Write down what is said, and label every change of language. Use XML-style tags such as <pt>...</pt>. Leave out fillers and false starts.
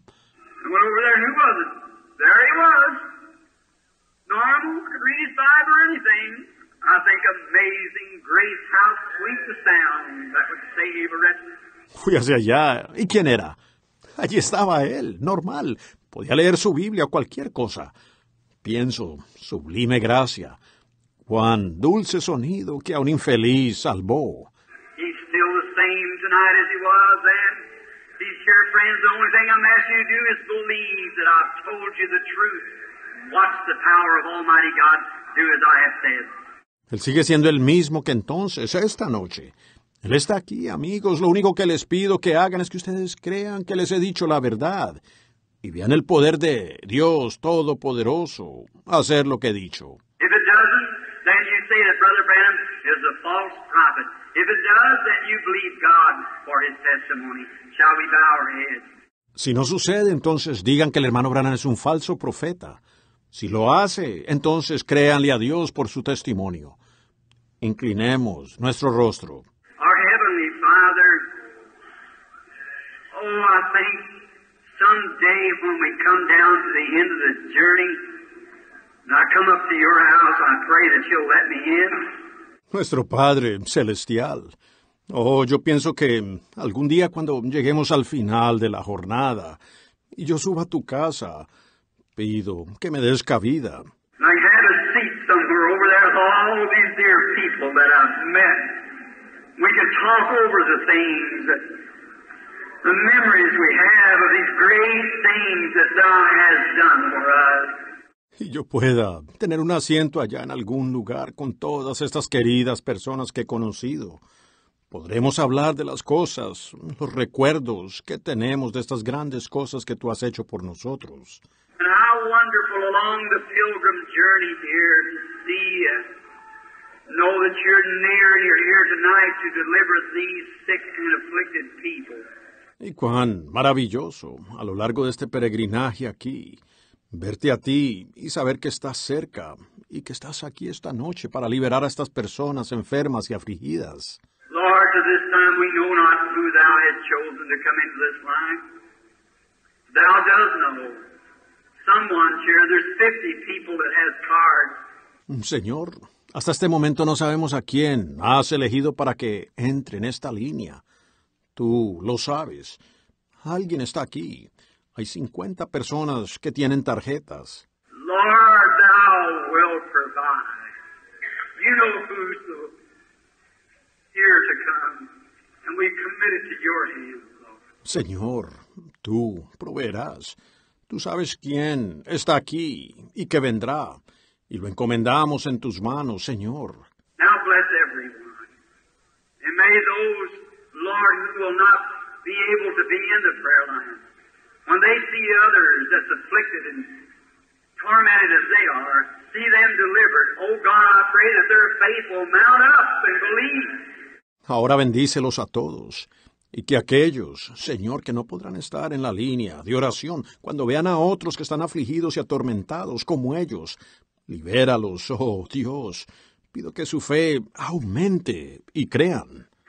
<en>I went over there, who was it? There he was, normal, could read his Bible or anything. I think "Amazing Grace, how sweet the sound," that would save a wretched.</en> <es>Fui hacia allá, ¿y quién era? Allí estaba él, normal, podía leer su Biblia o cualquier cosa. Pienso, sublime gracia, cuán dulce sonido que a un infeliz salvó.</es> <en>He's still the same tonight as he was then. Dear friends, the only thing I'm asking you to do is believe that I've told you the truth. Watch the power of Almighty God do as I have said.</en> <es>Él sigue siendo el mismo que entonces, esta noche. Él está aquí, amigos. Lo único que les pido que hagan es que ustedes crean que les he dicho la verdad y vean el poder de Dios Todopoderoso hacer lo que he dicho.</es> <en>If it doesn't, then you say that Brother Branham is a false prophet. If it does, then you believe God for his testimony. Shall we bow our heads?</en> <es>Si no sucede, entonces digan que el hermano Branham es un falso profeta. Si lo hace, entonces créanle a Dios por su testimonio. Inclinemos nuestro rostro.</es> <en>Our heavenly Father, oh, I think someday when we come down to the end of the journey, and I come up to your house, I pray that you'll let me in.</en> <es>Nuestro Padre Celestial. Oh, yo pienso que algún día cuando lleguemos al final de la jornada y yo suba a tu casa, pido que me des cabida.</es> <en>I had a seat somewhere over there with all of these dear people that I've met. We could talk over the things, the memories we have of these great things that thou has done for us.</en> <es>Y yo pueda tener un asiento allá en algún lugar con todas estas queridas personas que he conocido. Podremos hablar de las cosas, los recuerdos que tenemos de estas grandes cosas que tú has hecho por nosotros.</es> <en>And how wonderful along the pilgrim journey here to see you. Know that you're near and you're here tonight to deliver these sick and afflicted people.</en> <es>Y cuán maravilloso a lo largo de este peregrinaje aquí. Verte a ti y saber que estás cerca y que estás aquí esta noche para liberar a estas personas enfermas y afligidas.</es> <en>Lord, to this time we know not who thou hast chosen to come into this line. Thou dost know. Someone's here. There's 50 people that has cards.</en> <es>Señor, hasta este momento no sabemos a quién has elegido para que entre en esta línea. Tú lo sabes. Alguien está aquí. Hay 50 personas que tienen tarjetas.</es> <en>Lord, thou wilt provide. You know who's the here to come, and we commit it to your hands, Lord.</en> <es>Señor, tú proveerás. Tú sabes quién está aquí y que vendrá, y lo encomendamos en tus manos, Señor.</es> <en>Now bless everyone, and may those, Lord, who will not be able to be in the prayer line. When they see others as afflicted and tormented as they are, see them delivered. Oh God, I pray that their faith will mount up and believe.</en> <es>Ahora bendícelos a todos, y que aquellos, Señor, que no podrán estar en la línea de oración, cuando vean a otros que están afligidos y atormentados como ellos, libéralos, oh Dios. Pido que su fe aumente y crean.</es>